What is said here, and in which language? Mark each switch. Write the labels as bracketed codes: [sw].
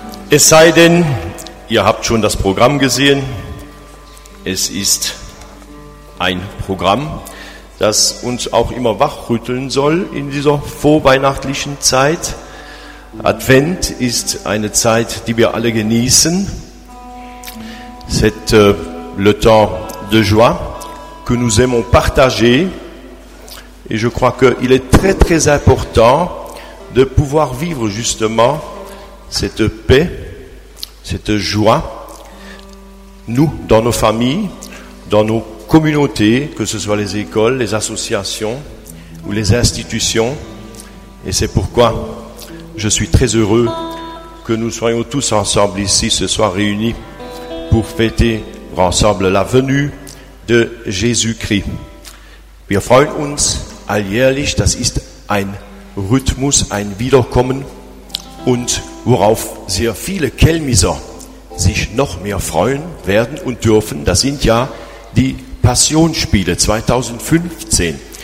[de] Es sei denn, ihr habt schon das Programm gesehen. Es ist ein Programm, das uns auch immer wachrütteln soll in dieser vorweihnachtlichen Zeit. Advent ist eine Zeit, die wir alle genießen. [fr] C'est le temps de joie que nous aimons partager. Et je crois qu'il est très très important de pouvoir vivre justement cette paix, cette joie. Nous, dans nos familles, dans nos communautés, que ce soit les écoles, les associations ou les institutions. Et c'est pourquoi je suis très heureux que nous soyons tous ensemble ici ce soir réunis pour fêter ensemble la venue de Jésus-Christ. [de] Wir freuen uns alljährlich, das ist ein Rhythmus, ein Wiederkommen und worauf sehr viele Kelmiser sich noch mehr freuen werden und dürfen, das sind ja die Passionsspiele 2015.